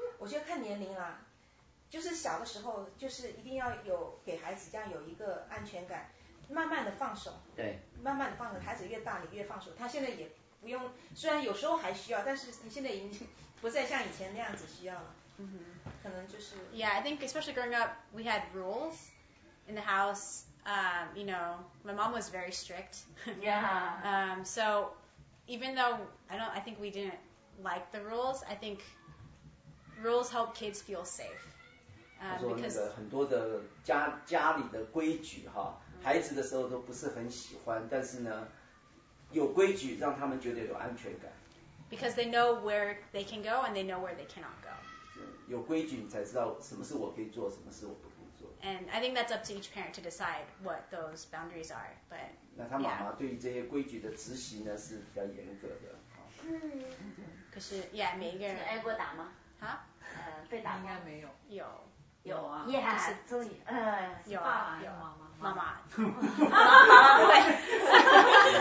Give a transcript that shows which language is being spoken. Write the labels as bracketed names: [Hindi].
[Chinese] 我觉得看年龄啦，就是小的时候，就是一定要有给孩子这样有一个安全感。慢慢的放手，对，慢慢的放手，孩子越大你越放手，他现在也不用，虽然有时候还需要，但是他现在已经不再像以前那样子需要了。 Mm-hmm. 可能就是 [English] Yeah, I think especially growing up, we had rules in the house. You know, my mom was very strict. Yeah. So even though I think we didn't like the rules, I think rules help kids feel safe. [Chinese] 说那个很多的家里的规矩哈，孩子的时候都不是很喜欢，但是呢，有规矩让他们觉得有安全感。 [English] Because they know where they can go and they know where they cannot go. [Chinese] 有规矩你才知道什么是我可以做，什么是我不可以做。 [English] And I think that's up to each parent to decide what those boundaries are. But [Chinese] 那他妈妈对于这些规矩的执行呢是比较严格的。嗯。可是 ，Yeah， 每一个人。你挨过打吗？哈？被打应该没有。有。有啊，Yeah，是终于，有啊，有妈妈，妈妈，哈哈哈哈哈，